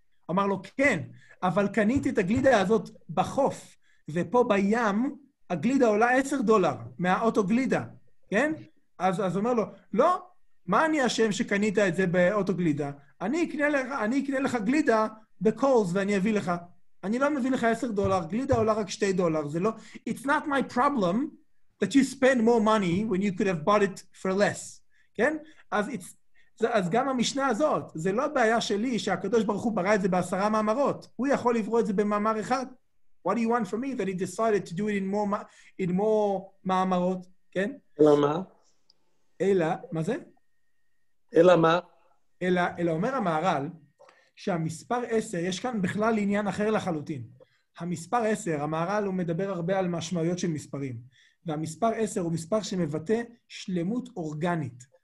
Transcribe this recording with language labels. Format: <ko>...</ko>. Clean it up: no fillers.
<he>אמר לו, כן, אבל קניתי את הגלידה הזאת בחוף, ופה בים, הגלידה עולה $10 מהאוטו גלידה, כן? אז אומר לו, לא, מה אני אשם שקנית את זה באוטו גלידה? אני אקנה לך גלידה בקולס ואני אביא לך. אני לא מביא לך $10, גלידה עולה רק $2, זה לא...</he> <en>It's not my problem that you spend more money when you could have bought it for less, כן?</en> <he>אז גם המשנה הזאת, זה לא בעיה שלי שהקדוש ברוך הוא ברא את זה בעשרה מאמרות. הוא יכול לברוא את זה במאמר אחד.</he> <en>What do you want from me that he decided to do it in more מאמרות, כן?</en> <he>אלא מה? אלא, מה זה? אלא מה? אלא אומר המהר"ל, שהמספר 10, יש כאן בכלל עניין אחר לחלוטין. המספר 10, המהר"ל הוא מדבר הרבה על משמעויות של מספרים. והמספר 10 הוא מספר שמבטא שלמות אורגנית.</he>